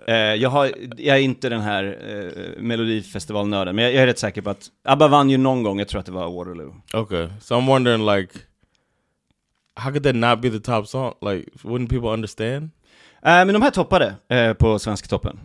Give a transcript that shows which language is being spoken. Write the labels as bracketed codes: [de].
[sv] Jag är inte den här Melodifestivalnörden, men jag är rätt säker på att ABBA vann ju någon gång. Jag tror att det var Waterloo. [en] Okay, so I'm wondering like, how could that not be the top song? Like, wouldn't people understand? [sv] Men de här toppade på svensk toppen.